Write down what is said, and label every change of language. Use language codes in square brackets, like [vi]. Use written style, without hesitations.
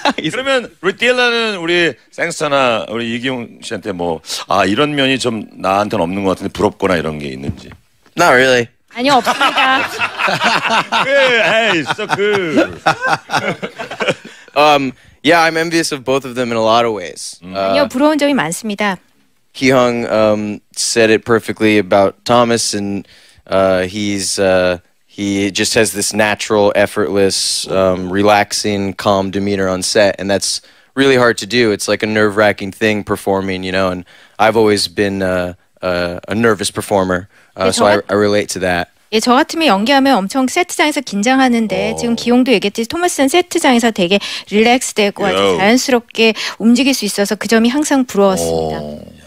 [ko] 그러면 루틸라는 우리 생스터나 우리 이기용 씨한테 뭐 아 이런 면이 좀 나한테는 없는 것 같은데 부럽거나 이런 게 있는지. [en] Not really. [ko] 아니 없습니다. [en] 에이, so cool. Yeah, I'm envious of both of them in a lot of ways. [ko] 아니요, 부러운 점이 많습니다. [en] Ki-hung said it perfectly about Thomas, and he just has this natural, effortless, relaxing, calm demeanor on set, and that's really hard to do. It's like a nerve-wracking thing performing, you know. And I've always been a nervous performer, so I relate to that. [ko] 예, 저 같으면 연기하면 엄청 세트장에서 긴장하는데 지금 기용도 얘기했듯이 토마스는 세트장에서 되게 릴렉스되고 아주 자연스럽게 움직일 수 있어서 그 점이 항상 부러웠습니다.